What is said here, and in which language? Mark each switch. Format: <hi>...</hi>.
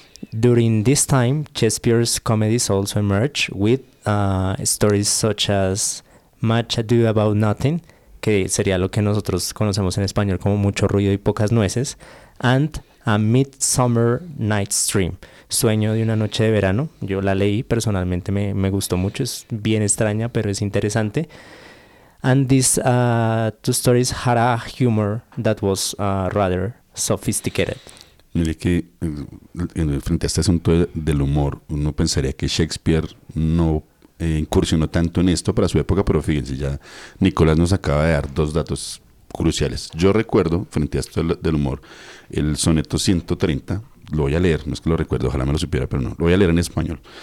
<en>During this time, Shakespeare's comedies also emerged with stories such as Much Ado About Nothing,</en> <es>que sería lo que nosotros conocemos en español como Mucho Ruido y Pocas Nueces,</es> <en>and A Midsummer Night's Dream, Sueño de una Noche de Verano.</en> <es>Yo la leí, personalmente me gustó mucho, es bien extraña, pero es interesante.</es> <en>And these two stories had a humor that was rather sophisticated.</en> <es>Mire que frente a este asunto del humor, uno pensaría que Shakespeare no incursionó tanto en esto para su época, pero fíjense, ya Nicolás nos acaba de dar dos datos cruciales. Yo recuerdo, frente a esto del humor, el soneto 130, lo voy a leer, no es que lo recuerdo, ojalá me lo supiera, pero no, lo voy a leer en español.</es>